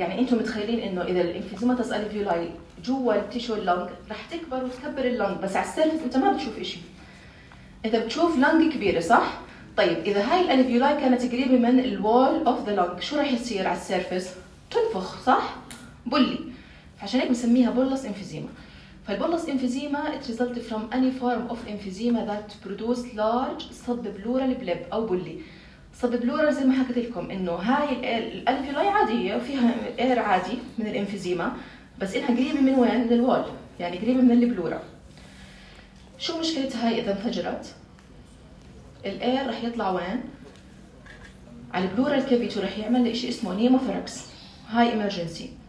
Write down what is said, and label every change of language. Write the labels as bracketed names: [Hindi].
[Arabic] يعني انتم متخيلين انه اذا الانفيزيما تسال فيولاي جوا التيشو اللونج رح تكبر وتكبر اللونج، بس على السيرفس انت ما بتشوف اشي، انت بتشوف لونج كبيره، صح؟ طيب اذا هاي الالفيولاي كانت قريبه من الوول اوف ذا لونج، شو رح يصير على السيرفس؟ تنفخ، صح؟ بولي. عشان هيك بنسميها بولس انفيزيما. فالبولس انفيزيما [English] it result from any form of emphysema that produce large subpleural bleb [Arabic] او بولي. subpleural زي ما حكيت لكم انه هاي الالفيولاي عادية وفيها اير عادي من الانفيزيما، بس انها قريبة من وين؟ من الوول، يعني قريبة من البلورا. شو مشكلتها هاي اذا انفجرت؟ الاير رح يطلع وين؟ على البلورال كافيتي، رح يعمل شيء اسمه نيموفراكس، هاي ايمرجنسي.